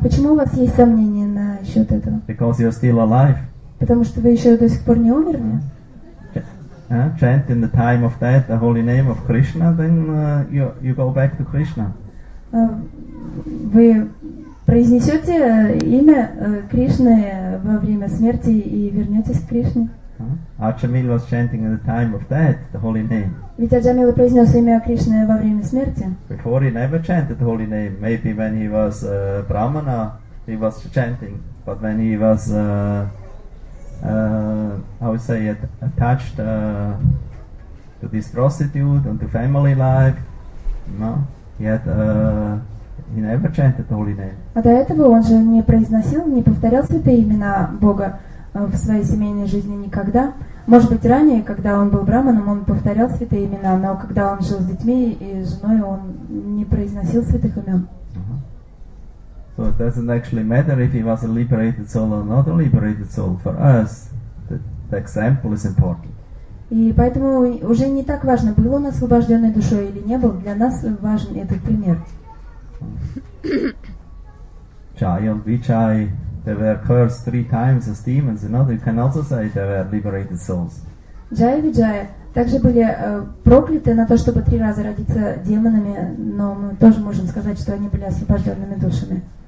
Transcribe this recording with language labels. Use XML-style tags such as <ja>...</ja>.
<ru>Почему у вас есть сомнения на счет этого?</ru> <en>Because you're still alive.</en> <ru>Потому что вы еще до сих пор не умерли?</ru> <en>chant in the time of death the holy name of Krishna, then you go back to Krishna.</en> <ru>Вы произнесете имя Кришны во время смерти и вернетесь к Кришне.</ru> <en>Ачамил was chanting in the time of death the holy name.</en> <ru>Ведь Ачамил произнес имя Кришны во время смерти.</ru> <en>Before he never chanted the holy name. Maybe when he was Brahmana, he was chanting. But when he was, attached to this prostitute and to family life, no, he had, he never chanted the holy name.</en> <ru>А до этого он же не произносил, не повторял святые имена Бога в своей семейной жизни никогда. Может быть, ранее, когда он был браманом, он повторял святые имена, но когда он жил с детьми и женой, он не произносил святых имен.</ru> <en>So it doesn't actually matter if he was a liberated soul or not a liberated soul. For us, the example is important.</en> <ru>И поэтому уже не так важно, был он освобожденной душой или не был. Для нас важен этот пример.</ru> <en>Chai and Vichai, they were cursed three times as demons. You know, you can also say they were liberated souls.</en> <ru>Jai Vijaya также были прокляты на то, чтобы три раза родиться демонами, но мы тоже можем сказать, что они были освобожденными душами.</ru>